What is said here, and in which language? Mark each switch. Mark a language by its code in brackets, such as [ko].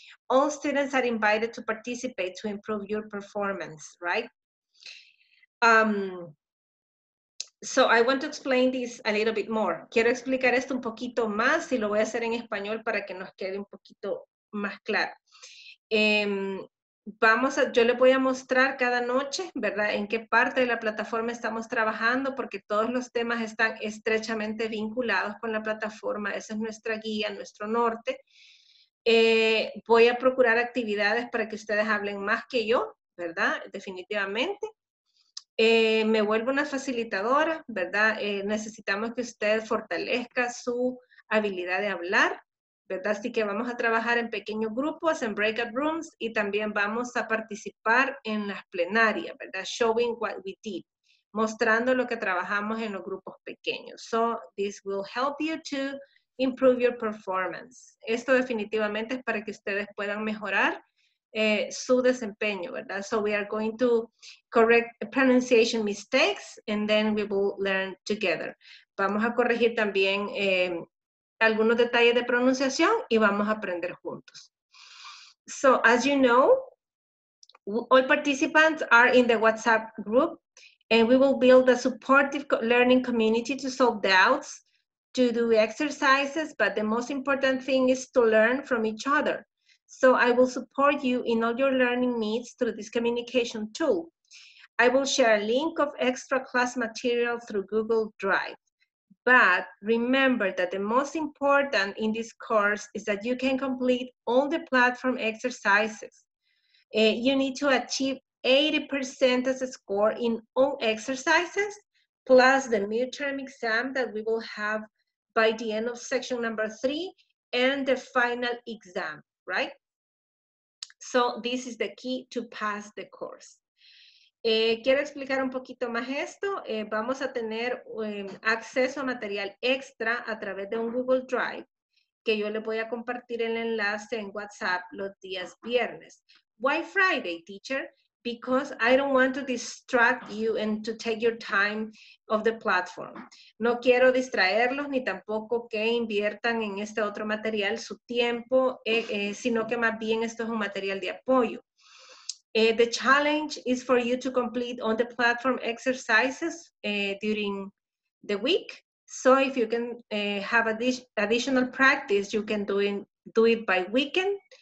[en] All students are invited to participate to improve your performance, right? So I want to explain this a little bit more. [es] Quiero explicar esto un poquito más y lo voy a hacer en español para que nos quede un poquito más claro. Yo les voy a mostrar cada noche, ¿verdad? En qué parte de la plataforma estamos trabajando, porque todos los temas están estrechamente vinculados con la plataforma. Esa es nuestra guía, nuestro norte. Voy a procurar actividades para que ustedes hablen más que yo, ¿verdad? Definitivamente. Me vuelvo una facilitadora, ¿verdad? Necesitamos que usted fortalezca su habilidad de hablar, ¿verdad? Así que vamos a trabajar en pequeños grupos, en breakout rooms, y también vamos a participar en las plenarias, ¿verdad? [en] Showing what we did, [es] mostrando lo que trabajamos en los grupos pequeños. [en] So, this will help you to improve your performance. [es] Esto definitivamente es para que ustedes puedan mejorar su desempeño, ¿verdad? [en] So we are going to correct pronunciation mistakes and then we will learn together. [es] Vamos a corregir también algunos detalles de pronunciación y vamos a aprender juntos. [en] So as you know, all participants are in the WhatsApp group and we will build a supportive learning community to solve doubts, to do exercises, but the most important thing is to learn from each other. So I will support you in all your learning needs through this communication tool. I will share a link of extra class material through Google Drive. But remember that the most important in this course is that you can complete all the platform exercises. You need to achieve 80% as a score in all exercises, plus the midterm exam that we will have by the end of section number 3 and the final exam, right? So this is the key to pass the course. [es] Quiero explicar un poquito más esto. Vamos a tener acceso a material extra a través de un Google Drive que yo le voy a compartir el enlace en WhatsApp los días viernes. [en] Why Friday, teacher? Because I don't want to distract you and to take your time of the platform. [es] No quiero distraerlos ni tampoco que inviertan en este otro material su tiempo, sino que más bien esto es un material de apoyo. [en] The challenge is for you to complete on the platform exercises during the week. So if you can have additional practice, you can do it by weekend.